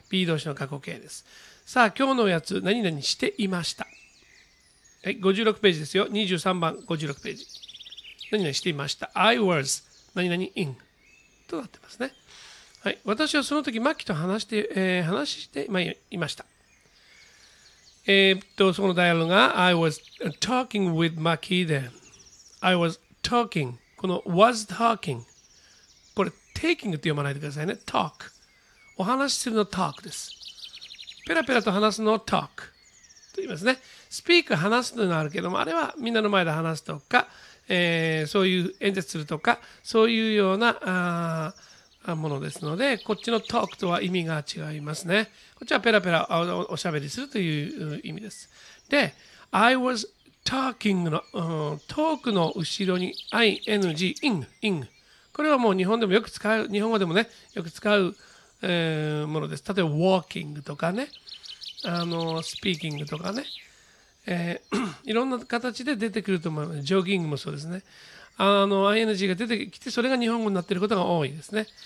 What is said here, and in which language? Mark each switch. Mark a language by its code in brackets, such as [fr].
[ja] B 動詞の過去形です。さあ、今日のやつ、何々していました。はい、56ページですよ。23番、56ページ、何々していました。 [en] I was [ja] 何々 in となってますね。はい、私はその時マッキーと話していました。そのダイアログが [en] I was talking with Maki then. I was talking. [ja] この [en] was talking. [ja] これ taking って読まないでくださいね。 [en] talk。 [ja] お話しするの talk です。ペラペラと話すの talk と言いますね。 speak 話すのがあるけども、あれはみんなの前で話すとか、そういう演説するとか、そういうようなものですので、こっちの talk とは意味が違いますね。こっちはペラペラおしゃべりするという意味です。で、 [en] I was talking [ja] の、talk の後ろに ing、ing。これはもう日本でもよく使う、日本語でもね、よく使う、ものです。例えば walking とかね、speaking とかね、いろんな形で出てくると思います。ジョギングもそうですね。ing が出てきて、それが日本語になっていることが多いですね。